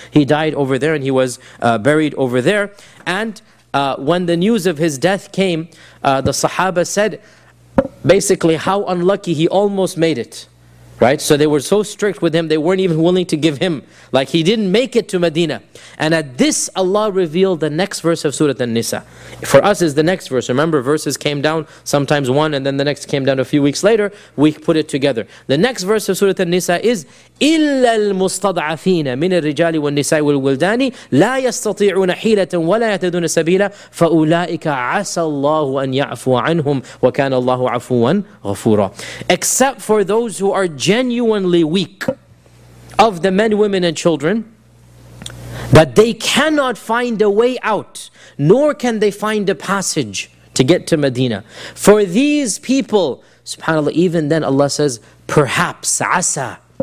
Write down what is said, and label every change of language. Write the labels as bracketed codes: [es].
[en] He died over there and he was buried over there. And when the news of his death came, the Sahaba said, basically, how unlucky, he almost made it. Right, so they were so strict with him, they weren't even willing to give him. Like, he didn't make it to Medina. And at this, Allah revealed the next verse of Surah An-Nisa. For us, is the next verse. Remember, verses came down, sometimes one, and then the next came down a few weeks later. We put it together. The next verse of Surah An-Nisa is, [ar] إِلَّا الْمُسْتَضْعَفِينَ مِنَ الرِّجَالِ وَالنِّسَاءِ وَالْوِلْدَانِ لَا يَسْتَطِيعُونَ حِيلَةً وَلَا يَهْتَدُونَ سَبِيلًا فَأُولَٰئِكَ عَسَى اللَّهُ أَنْ يَعْفُوَ عَنْهُمْ وَكَانَ اللَّهُ عَفُوًا غَفُورًا. [en] Except for those who are genuinely weak, of the men, women, and children, that they cannot find a way out, nor can they find a passage to get to Medina. For these people, subhanAllah, even then Allah says, perhaps, asa.